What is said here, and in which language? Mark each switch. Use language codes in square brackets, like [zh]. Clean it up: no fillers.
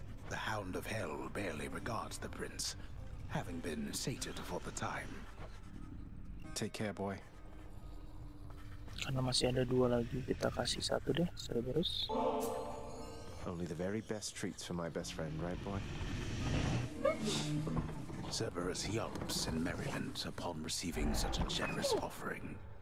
[en] The Hound of Hell barely regards the prince, having been sated for the time. Take care, boy. [id] Karena masih ada dua lagi, kita kasih satu deh, Cerberus. [en] Only the very best treats for my best friend, right, boy? Cerberus yelps in merriment upon receiving such a generous offering.